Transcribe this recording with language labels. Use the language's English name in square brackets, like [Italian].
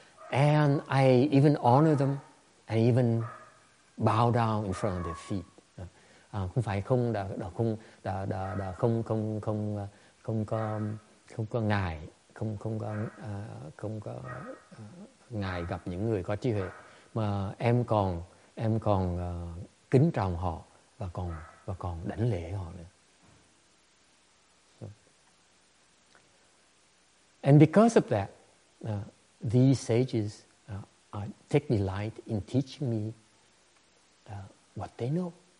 [English] And I even honor them, and even bow down in front of their feet. [Vietnamese] Không phải không đã không đã không không không không có không có ngại, không có ngại gặp những người có trí huệ, mà em còn kính trọng họ và còn đảnh lễ họ nữa. [English] And because of that, these sages take delight in teaching me what they know.